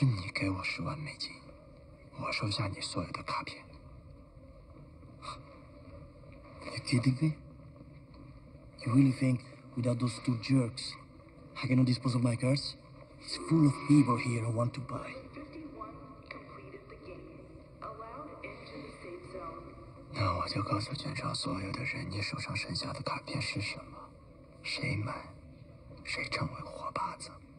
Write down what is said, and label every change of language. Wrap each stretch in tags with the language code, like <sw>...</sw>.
<zh>是你给我10万美金, 我收下你所有的卡片.</zh> <en>You kidding me? You really think, without those two jerks, I cannot dispose of my cards? It's full of people here who want to buy. 51 completed the game. Allowed into the safe zone.</en> <zh>那我就告诉全场所有的人，你手上剩下的卡片是什么，谁买，谁成为活靶子。</zh>